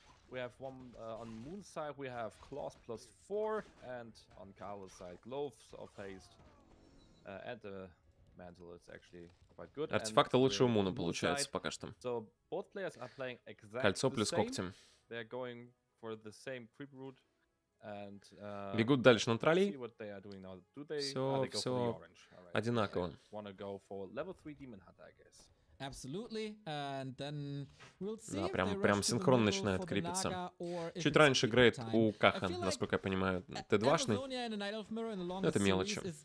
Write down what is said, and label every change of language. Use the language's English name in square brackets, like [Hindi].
[English] We have one on Moon's side, we have Claws plus 4, and on Carlos' side, Gloves of Haste, and the Mantle is actually quite good. [Russian] Артефакты лучше у Муна получаются пока что. [English] So both players are playing exactly the same. They're going for the same creep route, and [Russian] бегут дальше на троллей. Все одинаково. [English] Wanna go for level 3 Demon Hunter, I guess. Absolutely. And then we'll see. [Russian] Да, прям синхрон начинает крепиться. Чуть раньше грейд у Кахан, насколько я понимаю, Т2-шный. Это мелочи.